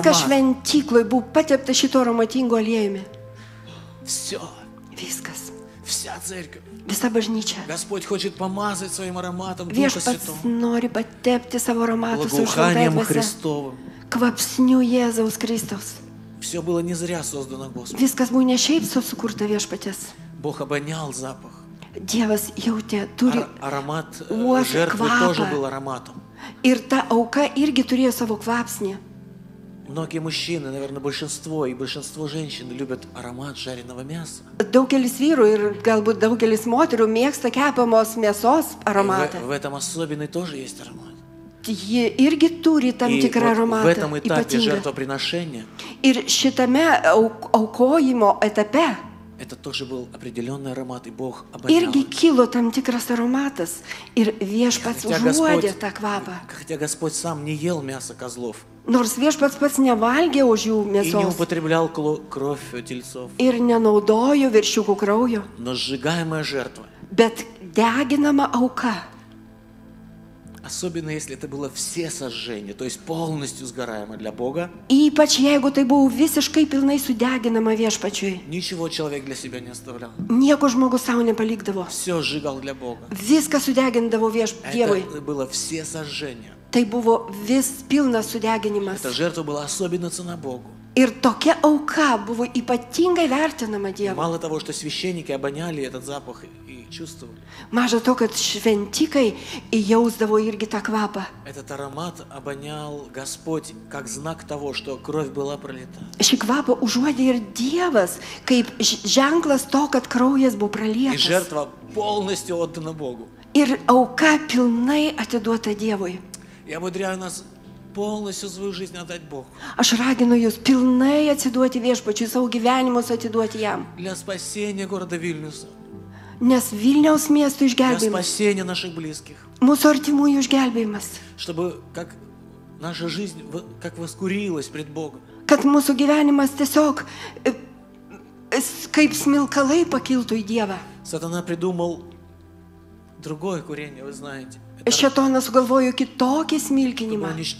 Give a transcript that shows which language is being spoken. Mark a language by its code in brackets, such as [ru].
[lt] Viskas šventykloj buvo patepta šito aromatingo aliejumi. [ru] Все. [lt] Viskas. [ru] Вся церковь. [lt] Visa bažnyčia. [ru] Господь хочет помазать своим ароматом [lt] Viešpats [ru] Духа Святого. [lt] Нори потепти savo ароматом [ru] Святого. Благоуханием Христовым. [lt] Квапсню Jėzaus Kristaus. [ru] Все было не зря создано Господом. [lt] Viskas buvo ne šiaip sukurta Viešpaties. [ru] Бог обонял запах. [lt] Dievas jautė, turi [ru] аромат жертвы тоже был ароматом. [lt] Ir ta auka irgi turėjo savo kvapsnį. [ru] Многие мужчины, наверное, большинство и большинство женщин любят аромат жареного мяса. [lt] Daugelis vyrų ir galbūt daugelis moterų mėgsta kepamos mėsos aromatą. [ru] В этом особенный тоже есть аромат. [lt] Ji irgi turi tam tikrą aromatą. [ru] В этом этапе жертвоприношения. [lt] Ir šitame aukojimo etape. [ru] Это тоже был определенный аромат, и Бог обонял. [lt] Irgi kilo tam tikras aromatas, ir Viešpats užuodė tą kvapą. [ru] Хотя Господь сам не ел мясо козлов. [lt] Nors Viešpats pats nevalgė už jų mėsos. [ru] И не употреблял кровь тельцов. [lt] Ir nenaudojo viršiukų kraujo. [ru] Но сжигаемая жертва. [lt] Bet deginama auka. [ru] Особенно если это было все сожжение, то есть полностью сгораемо для Бога. [lt] Ypač jeigu tai buvo visiškai pilnai sudeginama Viešpačiui. [ru] Ничего человек для себя не оставлял. [lt] Nieko žmogus sau nepalikdavo. [ru] Все сжигал для Бога. [lt] Viską sudegindavo Dievui. [ru] Это было все сожжение. [lt] Tai buvo vis pilnas sudeginimas. [ru] Ta žertva buvo особенно cena Bogu. [lt] Ir tokia auka buvo ypatingai vertinama Dievo. [ru] Mala того, что священники обоняли этот запах и чувствовали. [lt] Maža to, kad šventikai jausdavo irgi tą kvapą. [ru] Этот аромат обонял Господь как знак того, что кровь была пролита. [lt] Šį kvapą užuodė ir Dievas, kaip ženklas to, kad kraujas buvo pralietas. [ru] И жертва полностью отдана Богу. [lt] Ir auka pilnai atiduota Dievui. [ru] Я умудряю нас полностью свою жизнь отдать Богу. [lt] Aš raginu jūs pilnai atiduoti Viešpačiui, savo gyvenimus atiduoti jam. [ru] Для спасения города Вильнюса. [lt] Nes Vilniaus miestų išgelbėjimas. [ru] Для спасения наших близких. [lt] Mūsų artimųjų išgelbėjimas. [ru] Чтобы как наша жизнь как воскурилась пред Богом. [lt] Kad mūsų gyvenimas tiesiog kaip smilkalai pakiltų į Dievą. [ru] Сатана придумал другое курение, вы знаете. [lt] Šėtonas sugalvojo kitokį smilkinimą.